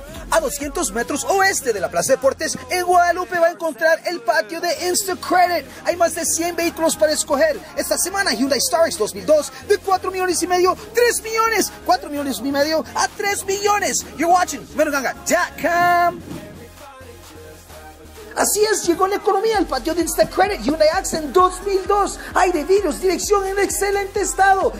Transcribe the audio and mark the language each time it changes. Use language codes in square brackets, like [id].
[es] A 200 metros oeste de la Plaza Deportes, en Guadalupe va a encontrar el patio de Instacredit. Hay más de 100 vehículos para escoger. Esta semana, Hyundai Starix 2002, de 4 millones y medio, 3 millones, 4 millones y medio a 3 millones. [en] You're watching Venuganga.com. [es] Así es, llegó la economía al patio de Instacredit, Hyundai Accent 2002. Aire, vidrios, dirección en excelente estado.